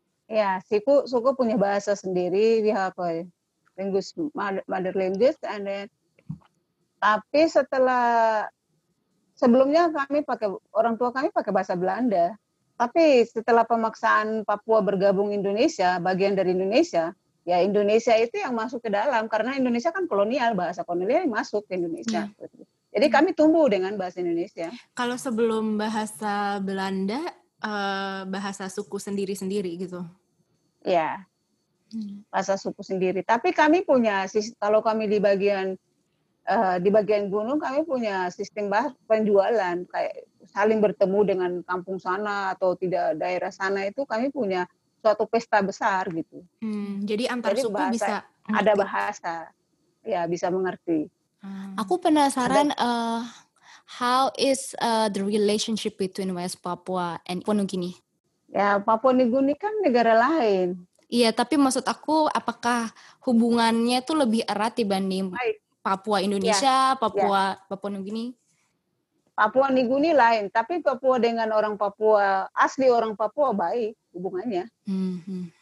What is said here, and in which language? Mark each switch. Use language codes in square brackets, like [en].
[id] Ya, suku punya bahasa sendiri. [en] We have a language, mother language, and then. [id] Tapi sebelumnya orang tua kami pakai bahasa Belanda. Tapi setelah pemaksaan Papua bergabung Indonesia, bagian dari Indonesia, ya Indonesia itu yang masuk ke dalam. Karena Indonesia kan kolonial, bahasa kolonial yang masuk ke Indonesia. Jadi kami tumbuh dengan bahasa Indonesia. Kalau sebelum bahasa Belanda, bahasa suku sendiri-sendiri gitu? Ya, bahasa suku sendiri. Tapi kami punya, kalau kami di bagian gunung, kami punya sistem penjualan, kayak saling bertemu dengan kampung sana atau tidak daerah sana itu, kami punya suatu pesta besar gitu. Jadi antar suku bahasa, bisa? Ada bahasa, ya bisa mengerti. Aku penasaran [en] how is the relationship between West Papua and Papua Nugini? [id] Ya, Papua Nugini kan negara lain. Iya, tapi maksud aku apakah hubungannya itu lebih erat dibanding Papua Indonesia, Papua Nugini? Papua Nugini lain, tapi Papua dengan orang Papua, asli orang Papua baik hubungannya. Mm-hmm.